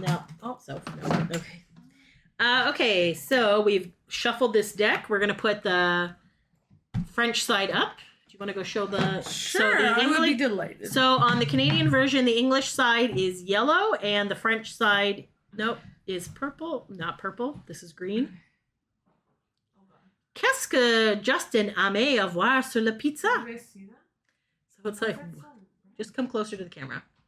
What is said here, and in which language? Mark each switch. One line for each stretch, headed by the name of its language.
English: No. Oh, so... No. Okay. Okay, so we've shuffled this deck. We're going to put the French side up. You want to go show the... Sure, so the English, I would be delighted. So on the Canadian version, the English side is yellow and the French side, nope, is purple. Not purple. This is green.
French: Qu'est-ce que Justin aimait avoir sur la pizza?
English: So it's like, just come closer to the camera.